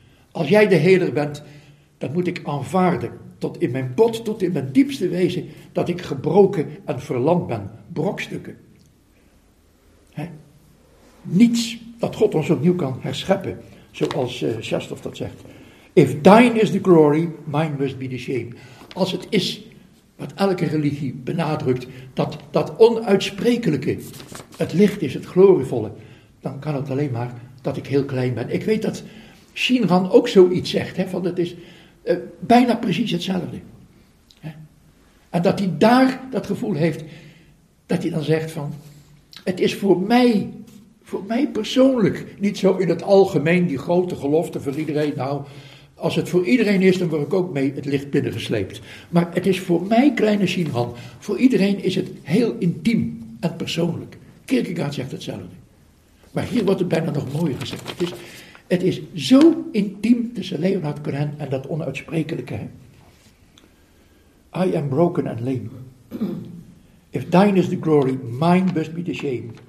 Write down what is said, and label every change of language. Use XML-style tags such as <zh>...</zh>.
<nl>Als jij de healer bent, dan moet ik aanvaarden, tot in mijn bot, tot in mijn diepste wezen, dat ik gebroken en verlamd ben. Brokstukken. Hè? Niets dat God ons opnieuw kan herscheppen, zoals Shestov dat zegt.</nl> <en>If thine is the glory, mine must be the shame.</en> <nl>Als het is wat elke religie benadrukt, dat onuitsprekelijke, het licht is, het glorievolle, dan kan het alleen maar dat ik heel klein ben. Ik weet dat Shinran ook zoiets zegt, hè, van het is bijna precies hetzelfde. Hè. En dat hij daar dat gevoel heeft, dat hij dan zegt van, het is voor mij persoonlijk, niet zo in het algemeen, die grote gelofte van iedereen, nou, als het voor iedereen is, dan word ik ook mee het licht binnengesleept. Maar het is voor mij, kleine Shinran, voor iedereen is het heel intiem en persoonlijk. Kierkegaard zegt hetzelfde. Maar hier wordt het bijna nog mooier gezegd. Het is zo intiem tussen Leonard Cohen en dat onuitsprekelijke.</nl> <en>I am broken and lame. If thine is the glory, mine must be the shame.</en>